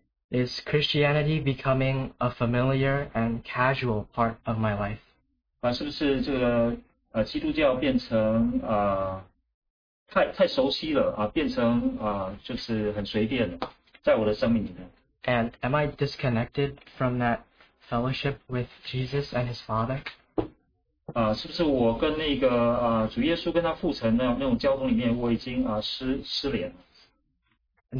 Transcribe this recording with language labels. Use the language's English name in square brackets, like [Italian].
[English] Is Christianity becoming a familiar and casual part of my life? [Chinese] 是不是基督教变成太熟悉了，变成很随便，在我的生命里面。 [English] And am I disconnected from that fellowship with Jesus and His Father? [Chinese] 是不是我跟主耶稣跟他父神的那种交通里面，我已经失联了。 [English] And